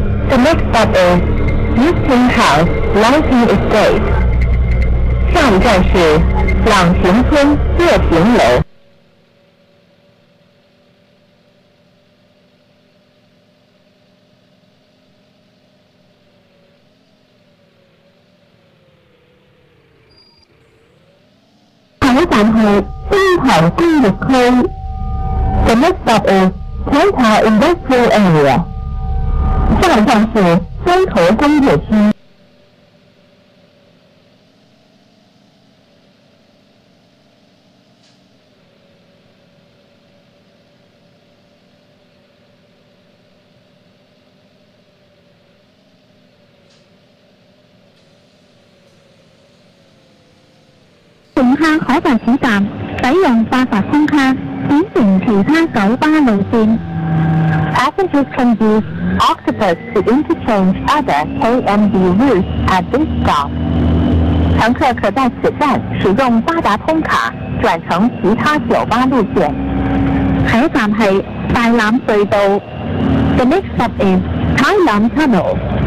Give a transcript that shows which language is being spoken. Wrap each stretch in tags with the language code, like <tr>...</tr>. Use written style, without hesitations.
<en>The next stop is 玉庭 house, 龙庭 estate。</en> <zh>下一站是朗庭村乐庭楼。下一站是东海工业区。</zh> <en>The next stop is 中华 industrial area。</en> <zh>下一站是中投工业区。乘客可在此站使用八达通卡点乘其他九巴路线。</zh> <en>Passengers can use Octopus to interchange other KMB routes at this stop.</en> <zh>乘客可在此站使用八达通卡转乘其他九巴路线。下一站是大榄隧道。</zh> <en>The next stop is 大榄 Tunnel.</en>